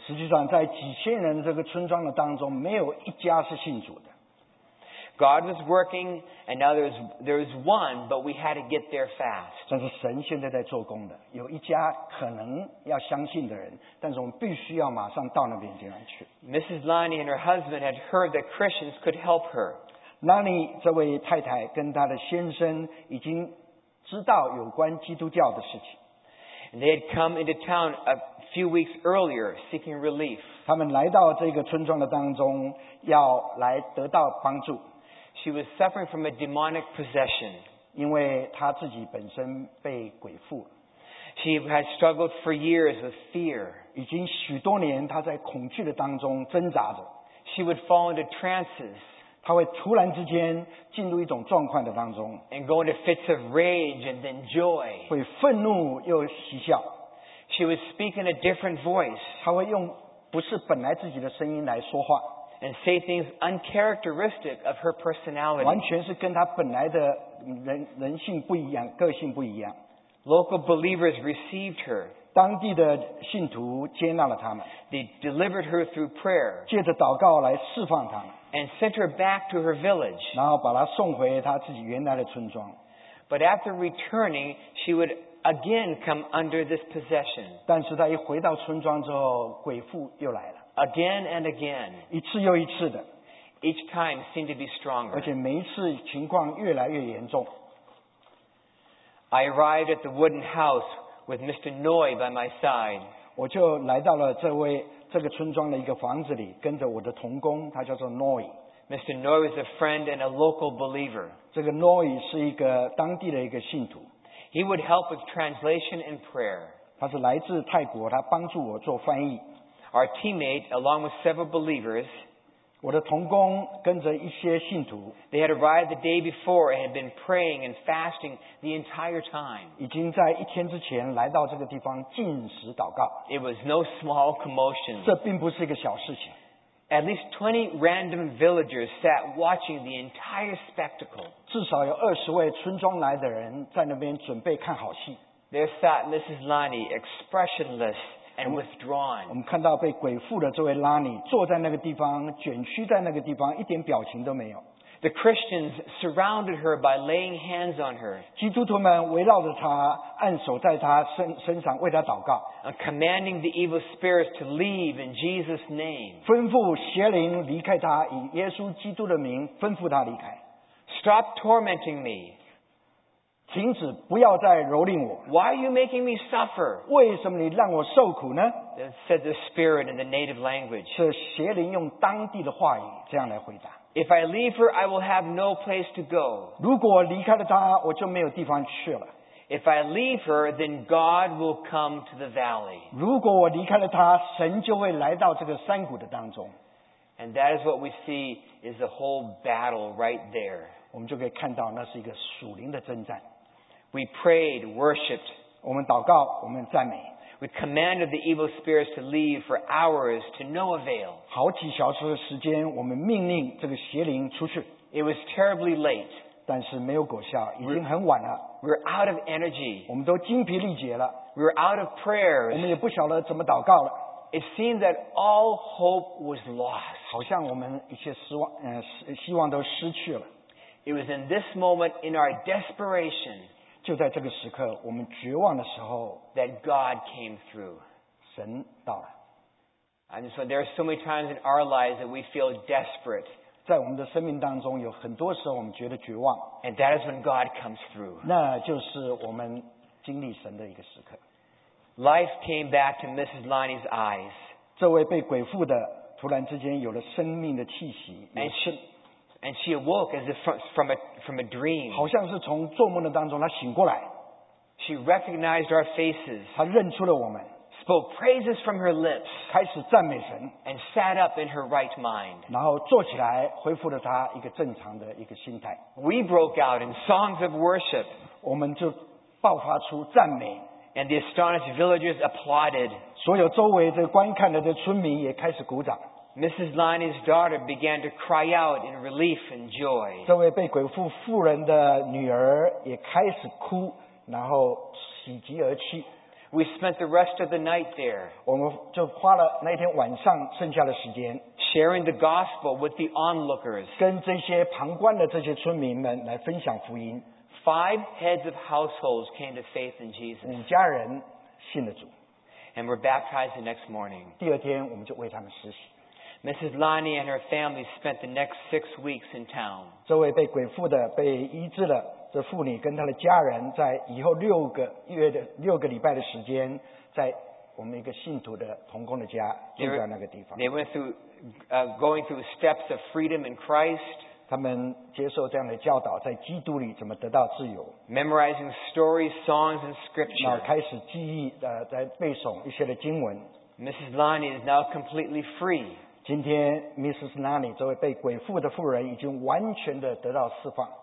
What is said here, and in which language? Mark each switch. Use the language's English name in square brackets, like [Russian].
[Chinese] 实际上，在几千人的这个村庄的当中，没有一家是信主的。 [English] God was working, and now there's one, but we had to get there fast. [Chinese] 但是神现在在做工的，有一家可能要相信的人，但是我们必须要马上到那边地方去。 [English] Mrs. Lonnie and her husband had heard that Christians could help her. [Chinese] Lonnie 这位太太跟她的先生已经知道有关基督教的事情。 [English] And they had come into town a few weeks earlier seeking relief. [Chinese] 他们来到这个村庄的当中，要来得到帮助。 [English] She was suffering from a demonic possession. [Chinese] 因为她自己本身被鬼附。 [English] She had struggled for years with fear. [Chinese] 已经许多年她在恐惧的当中挣扎着。 [English] She would fall into trances. [Chinese] 她会突然之间进入一种状况的当中。 [English] And go into fits of rage and then joy. [Chinese] 会愤怒又喜笑。 [English] She would speak in a different voice. [Chinese] 她会用不是本来自己的声音来说话。 [English] And say things uncharacteristic of her personality. [Chinese] 完全是跟她本来的 人性不一样，个性不一样。 [English] Local believers received her. [Chinese] 当地的信徒接纳了他们。 [English] They delivered her through prayer. [Chinese] 借着祷告来释放他们。 [English] And sent her back to her village. [Chinese] 然后把她送回她自己原来的村庄。 [English] But after returning, she would again come under this possession. [Chinese] 但是她一回到村庄之后，鬼附又来了。 [English] Again and again, [Chinese] 一次又一次的 [English] each time seemed to be stronger. [Chinese] 而且每一次情况越来越严重。 [English] I arrived at the wooden house with Mr. Noy by my side. [Chinese] 我就来到了这个村庄的一个房子里，跟着我的同工，他叫做 Noy. [English] Mr. Noy was a friend and a local believer. [Chinese] 这个 Noy 是一个当地的一个信徒。 [English] He would help with translation and prayer. [Chinese] 他是来自泰国，他帮助我做翻译。 [English] Our teammate, along with several believers, [Chinese] 我的同工跟着一些信徒 [English] they had arrived the day before and had been praying and fasting the entire time. [Chinese] 已经在一天之前来到这个地方禁食祷告。 [English] It was no small commotion. [Chinese] 这并不是一个小事情。 [English] At least 20 random villagers sat watching the entire spectacle. [Chinese] 至少有二十位村庄来的人在那边准备看好戏。 [English] There sat Mrs. Lonnie, expressionless,And withdrawn. [Chinese] 我们看到被鬼附的这位拉尼坐在那个地方，卷曲在那个地方，一点表情都没有。 [English] The Christians surrounded her by laying hands on her. [Chinese] 基督徒们围绕着她，按手在她身上，为她祷告。 [English] Commanding the evil spirits to leave in Jesus' name. [Chinese] 吩咐邪灵离开她，以耶稣基督的名吩咐她离开。 [English] Stop tormenting me. [Chinese] 停止，不要再蹂躏我。 [English] Why are you making me suffer? [Chinese] 为什么你让我受苦呢？ [English] Said the spirit in the native language. [Chinese] 是邪灵用当地的话语这样来回答。 [English] If I leave her, I will have no place to go. [Chinese] 如果离开了她，我就没有地方去了。 [English] If I leave her, then God will come to the valley. [Chinese] 如果我离开了她，神就会来到这个山谷的当中。 [English] And that is what we see is the whole battle right there. [Chinese] 我们就可以看到那是一个属灵的征战。 [English] We prayed, worshipped. [Chinese] 我们祷告，我们赞美。 [English] We commanded the evil spirits to leave for hours to no avail. [Chinese] 好几小时的时间，我们命令这个邪灵出去。 [English] It was terribly late. [Chinese] 但是没有果效，已经很晚了。 [English] We're out of energy. [Chinese] 我们都精疲力竭了。 [English] We're out of prayers. [Chinese] 我们也不晓得怎么祷告了。 [English] It seemed that all hope was lost. [Chinese] 好像我们一些失望，希望都失去了。 [English] It was in this moment in our desperation, [Chinese] 就在这个时刻，我们绝望的时候， [English] that God came through. [Chinese] 神到了。 [English] And so there are so many times in our lives that we feel desperate. [Chinese] 在我们的生命当中，有很多时候我们觉得绝望。 [English] And that is when God comes through. [Chinese] 那就是我们经历神的一个时刻。 [English] Life came back to Mrs. Lonnie's eyes. [Chinese] 这位被鬼附的突然之间有了生命的气息。 [English] And she awoke as if from a dream. [Chinese] 好像是从做梦的当中她醒过来。 [English] She recognized our faces. [Chinese] 她认出了我们。 [English] Spoke praises from her lips. [Chinese] 开始赞美神。 [English] And sat up in her right mind. [Chinese] 然后坐起来恢复了她一个正常的一个心态。 [English] We broke out in songs of worship. [Chinese] 我们就爆发出赞美。 [English] And the astonished villagers applauded. [Chinese] 所有周围的观看的这村民也开始鼓掌。 [English] Mrs. Liney's daughter began to cry out in relief and joy. [Chinese] 这位被鬼附妇人的女儿也开始哭，然后喜极而泣。 [English] We spent the rest of the night there. [Chinese] 我们就花了那天晚上剩下的时间。 [English] Sharing the gospel with the onlookers. [Chinese] 跟这些旁观的这些村民们来分享福音。 [English] Five heads of households came to faith in Jesus. [Chinese] 五家人信了主。 [English] And were baptized the next morning. [Chinese] 第二天我们就为他们施洗。 [English] Mrs. Lonnie and her family spent the next 6 weeks in town. [Chinese] 这位被鬼附的被医治了这妇女跟她的家人在以后六个礼拜的时间在我们一个信徒的同工的家住在那个地方。 [English] They went through, going through steps of freedom in Christ. [Chinese] 他们接受这样的教导在基督里怎么得到自由。 [English] Memorizing stories, songs, and scripture. [Chinese] 然后开始记忆的在背诵一些的经文。 [English] Mrs. Lonnie is now completely free. [Chinese] 今天 Mrs. Lonnie 这位被鬼附的妇人已经完全的得到释放。